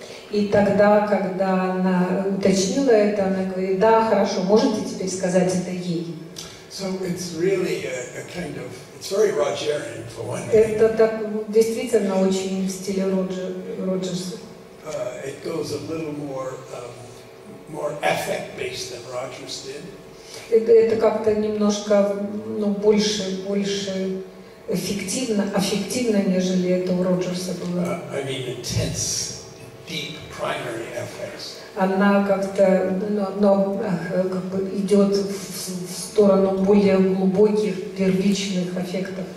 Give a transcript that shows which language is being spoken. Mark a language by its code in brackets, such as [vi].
[ru] И тогда, когда она уточнила это, она говорит, да, хорошо, можете теперь сказать это ей. [en] So it's really a kind of, it's very Rogerian for one thing. [ru] Это так, действительно очень в стиле Роджерса. [en] It goes a little more affect-based than Rogers did. [ru] Это как-то немножко, ну, больше аффективно, нежели это у Роджерса было. [en] I mean intense, deep primary affects. [ru] Она как-то, но как бы идет в сторону более глубоких первичных аффектов.